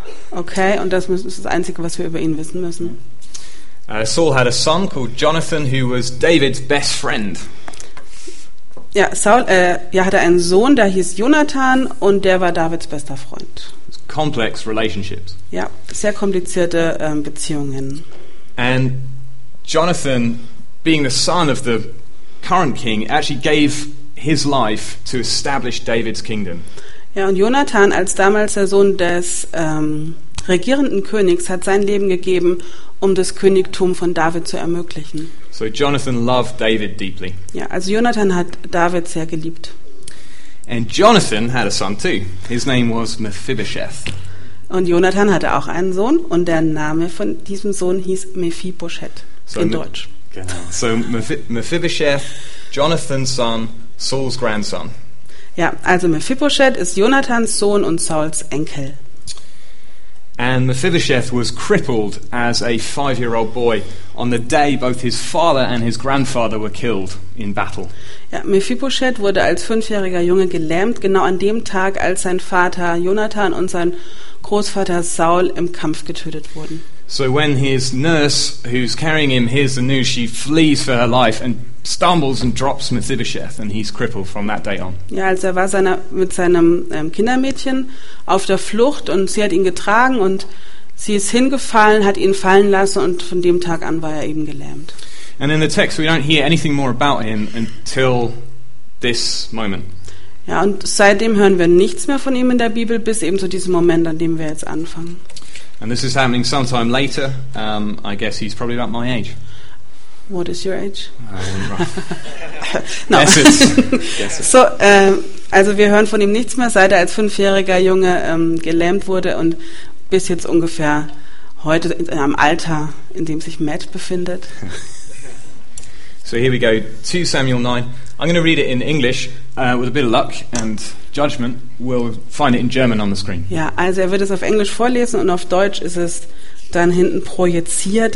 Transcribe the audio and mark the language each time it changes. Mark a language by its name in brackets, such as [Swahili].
[German] Okay, und das ist das Einzige, was wir über ihn wissen müssen. [English] Saul had a son called Jonathan, who was David's best friend. [German] Ja, Saul hatte einen Sohn, der hieß Jonathan, und der war Davids bester Freund. [English] Complex relationships. [German] Ja, sehr komplizierte Beziehungen. [English] And Jonathan, being the son of the current king, actually gave his life to establish David's kingdom. [German] Ja, und Jonathan, als damals der Sohn des regierenden Königs, hat sein Leben gegeben, um das Königtum von David zu ermöglichen. [English] So Jonathan loved David deeply. [German] Ja, also Jonathan hat David sehr geliebt. [English] And Jonathan had a son too. His name was Mephibosheth. [German] Und Jonathan hatte auch einen Sohn, und der Name von diesem Sohn hieß Mephibosheth. So in Deutsch. [English] Genau. So Mephibosheth, Jonathan's son, Saul's grandson. [German] Ja, also Mephibosheth ist Jonathans Sohn und Sauls Enkel. [English] And Mephibosheth was crippled as a 5-year-old boy on the day both his father and his grandfather were killed in battle. [German] Ja, Mephibosheth wurde als 5-jähriger Junge gelähmt, genau an dem Tag, als sein Vater Jonathan und sein Großvater Saul im Kampf getötet wurden. [English] So when his nurse, who's carrying him, hears the news, she flees for her life and stumbles and drops Mephibosheth, and he's crippled from that day on. [German] Ja, also er war seiner, mit seinem Kindermädchen auf der Flucht, und sie hat ihn getragen, und sie ist hingefallen, hat ihn fallen lassen, und von dem Tag an war er eben gelähmt. [English] And in the text we don't hear anything more about him until this moment. [German] Ja, und seitdem hören wir nichts mehr von ihm in der Bibel, bis eben zu diesem Moment, an dem wir jetzt anfangen. [English] And this is happening sometime later. I guess he's probably about my age. What is your age? No. Guess it. Guess it. [German] So, also wir hören von ihm nichts mehr, seit er als 5-jähriger Junge gelähmt wurde, und bis jetzt ungefähr heute in einem Alter, in dem sich Matt befindet. [English] So here we go, 2 Samuel 9. I'm going to read it in English with a bit of luck and judgment. We'll find it in German on the screen. [German] Ja, also er wird es auf Englisch vorlesen, und auf Deutsch ist es dann hinten projiziert.